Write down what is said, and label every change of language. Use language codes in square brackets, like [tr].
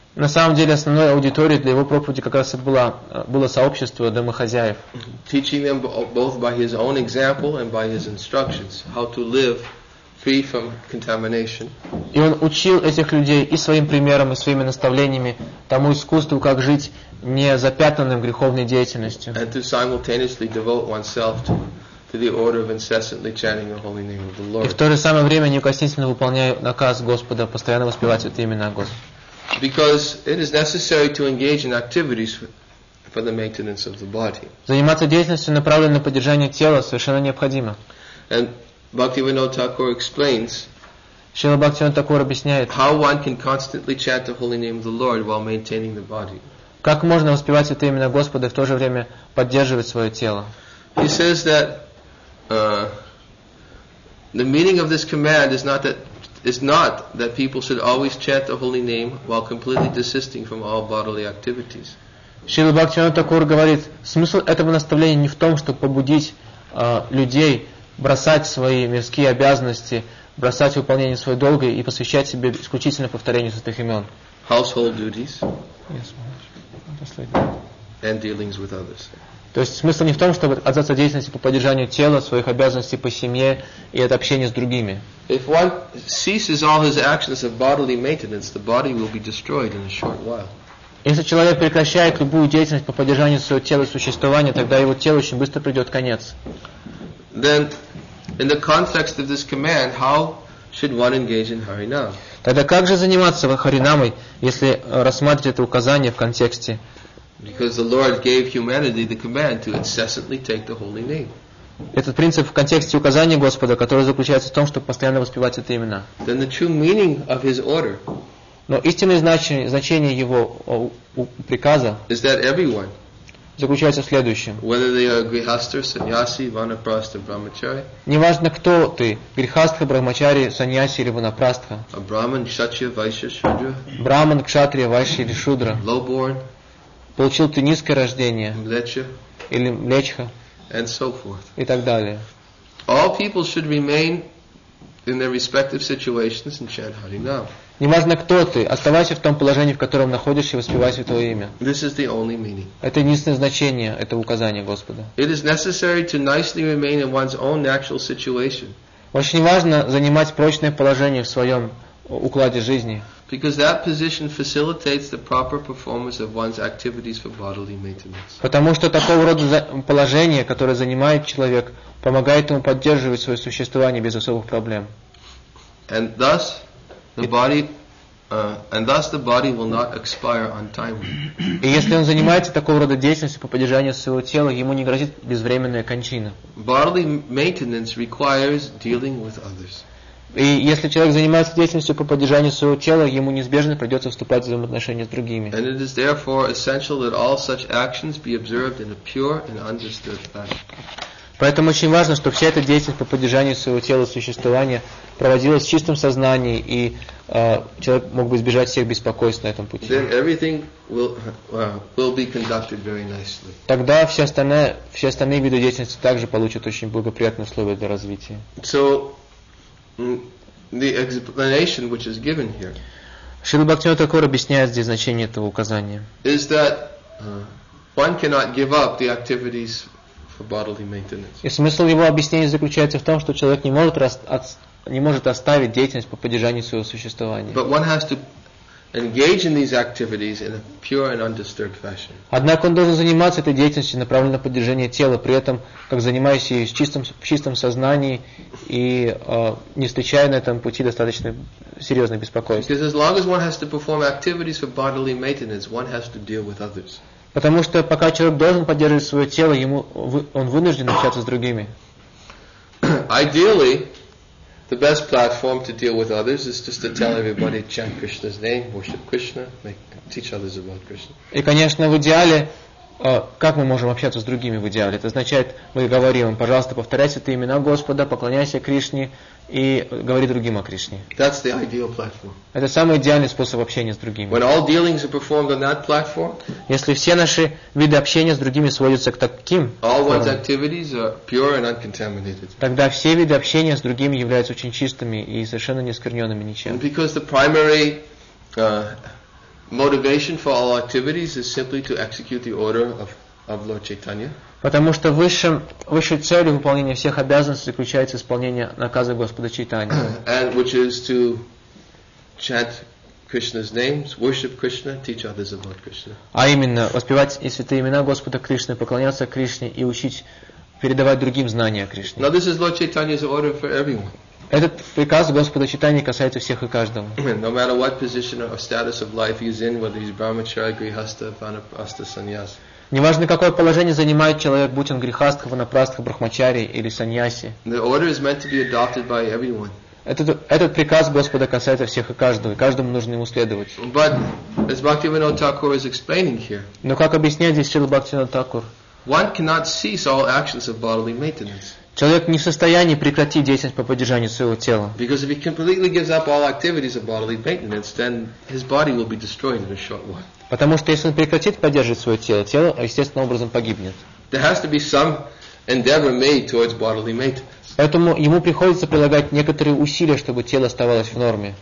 [ru] На самом деле, основной аудиторией для его проповеди как раз и было сообщество домохозяев. [en] Teaching them both by his own example and by his instructions how to live free from contamination. [ru] И он учил этих людей и своим примером, и своими наставлениями тому искусству, как жить не запятнанным греховной деятельностью. [en] And to simultaneously devote oneself to the order of incessantly chanting the holy name of the Lord. [ru] И в то же самое время неукоснительно выполняя наказ Господа, постоянно воспевать это имя Господа. [en] Because it is necessary to engage in activities for the maintenance of the body. [ru] Заниматься деятельностью, направленной на поддержание тела, совершенно необходимо. [en] And Bhaktivinoda Thakur explains. [ru] Шрила Бхактивинода Тхакур объясняет. [en] How one can constantly chant the holy name of the Lord while maintaining the body. [ru] Как можно воспевать это имя Господа и в то же время поддерживать свое тело? [en] He says that the meaning of this command is not that people should always chant the holy name while completely desisting from all bodily activities. [ru] Шрила Бхактивинода Тхакур говорит, смысл этого наставления не в том, чтобы побудить людей бросать свои мирские обязанности, бросать выполнение своего долга и посвящать себе исключительно повторению святых имен. [en] Household duties. Yes, and dealings with others. [ru] То есть смысл не в том, чтобы отдаться деятельности по поддержанию тела, своих обязанностей по семье и от общения с другими. [en] If one ceases all his actions of bodily maintenance, the body will be destroyed in a short while. [ru] Если человек прекращает любую деятельность по поддержанию своего тела и существования, тогда его телу очень быстро придет конец. [en] Then, in the context of this command, how should one engage in Harinam? [ru] Тогда как же заниматься Харинамой, если рассматривать это указание в контексте? [en] Because the Lord gave humanity the command to incessantly take the holy name. [ru] Этот принцип в контексте указания Господа, который заключается в том, чтобы постоянно воспевать это имя. [en] Then the true meaning of His order. [ru] Но истинное значение его приказа [en] is that everyone, [ru] заключается в следующем. [en] Whether they are grihastha, sannyasi, vanaprastha, brahmachari. [ru] Неважно, кто ты, грихастха, брахмачари, саньяси или ванапрастха. [en] A brahman, kshatriya, vaishya, shudra. [ru] Brahman, kshatriya, vaishya или shudra. [en] Lowborn. [ru] Получил ты низкое рождение. [en] Mlecha. [ru] Или млечха. [en] And so forth. [ru] И так далее. [en] All people should remain in their respective situations and chant Harinam. [ru] Неважно, кто ты, оставайся в том положении, в котором находишься, и воспевай Святое Имя. [en] This is the only meaning. [ru] Это единственное значение этого указания Господа. [en] It is necessary to nicely remain in one's own natural situation. [ru] Очень важно занимать прочное положение в своем укладе жизни. [en] Because that position facilitates the proper performance of one's activities for bodily maintenance. [ru] Потому что такого рода положение, которое занимает человек, помогает ему поддерживать свое существование без особых проблем. [en] And thus, the body will not expire untimely. [ru] И если он занимается такого рода деятельностью по поддержанию своего тела, ему не грозит безвременная кончина. [en] Bodily maintenance requires dealing with others. [ru] И если человек занимается деятельностью по поддержанию своего тела, ему неизбежно придется вступать в взаимоотношения с другими. [en] And it is therefore essential that all such actions be observed in a pure and understood fashion. [ru] Поэтому очень важно, чтобы вся эта деятельность по поддержанию своего тела существования проводилась в чистом сознании, и человек мог бы избежать всех беспокойств на этом пути. [en] Then everything will be conducted very nicely. [ru] Тогда все остальные виды деятельности также получат очень благоприятные условия для развития. [en] So, the explanation which is given here, [ru] Шрила Бхактивинода Тхакура объясняет здесь значение этого указания. [en] Is that one cannot give up the activities bodily maintenance. [ru] И смысл его объяснения заключается в том, что человек не может оставить деятельность по поддержанию своего существования. [en] But one has to engage in these activities in a pure and undisturbed fashion. [ru] Однако он должен заниматься этой деятельностью, направленной на поддержание тела, при этом как занимаясь ею в чистом сознании и не встречая на этом пути достаточно серьезных беспокойств. [en] Because as long as one has to perform activities for bodily maintenance, one has to deal with others. [ru] Потому что пока человек должен поддерживать свое тело, он вынужден общаться с другими. [en] Ideally, the best platform to deal with others is just to tell everybody chant Krishna's name, worship Krishna, teach others about Krishna. [ru] И, конечно, в идеале, как мы можем общаться с другими в идеале? Это означает, мы говорим им, пожалуйста, повторяй святые имена Господа, поклоняйся Кришне и говори другим о Кришне. [en] That's the ideal platform. [ru] Это самый идеальный способ общения с другими. [en] When all dealings are performed on that platform, [ru] если все наши виды общения с другими сводятся к таким, [en] all one's activities are pure and uncontaminated. [ru] Тогда все виды общения с другими являются очень чистыми и совершенно не оскверненными ничем. [en] And because the primary motivation for all activities is simply to execute the order of Lord Chaitanya. [ru] Потому что высшей целью выполнения всех обязанностей заключается исполнение наказа Господа Чайтаньи. [en] And which is to chant Krishna's names, worship Krishna, teach others about Krishna. [ru] А именно воспевать и святые имена Господа Кришны, поклоняться Кришне и учить передавать другим знания о Кришне. [en] Now this is Lord Chaitanya's order for everyone. [ru] Этот приказ Господа Чайтаньи касается всех и каждого. [en] No matter what position or status of life he's in, whether he's brahmachari, grihastha, vanaprastha, sannyasi. [ru] Неважно, какое положение занимает человек, будь он грихастха, ванапрастха, брахмачари или саньяси. [en] The order is meant to be adopted by everyone. [ru] Этот приказ Господа касается всех и каждого, и каждому нужно ему следовать. [en] But, as Bhaktivinoda Thakur is explaining here, [ru] но как объясняет здесь Шрила Бхактивинода Тхакур, [en] one cannot cease all actions of bodily maintenance. [ru] Человек не в состоянии прекратить деятельность по поддержанию своего тела. [en] Because if he completely gives up all activities of bodily maintenance, then his body will be destroyed in a short while. [ru] Потому что если он прекратит поддерживать свое тело, тело естественным образом погибнет. [en] There has to be some endeavor made towards bodily maintenance. [ru] Поэтому ему приходится прилагать некоторые усилия, чтобы тело оставалось в норме.